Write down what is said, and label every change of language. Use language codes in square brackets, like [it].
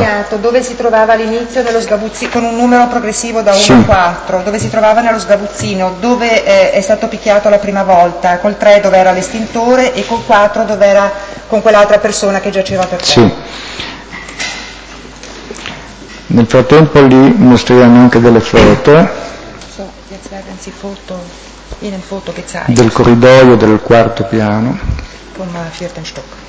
[it] Ha segnato dove si trovava all'inizio nello sgabuzzino con un numero progressivo da 1 a 4, dove si trovava nello sgabuzzino, dove è stato picchiato la prima volta, col 3 dove era l'estintore e col 4 dove era con quell'altra persona che giaceva per terra. Sì. Nel frattempo lì mostriamo anche delle foto. [de] So, jetzt werden Sie foto in den foto gezeigt. [it] Del corridoio del quarto piano. [de] Vom vierten Stock.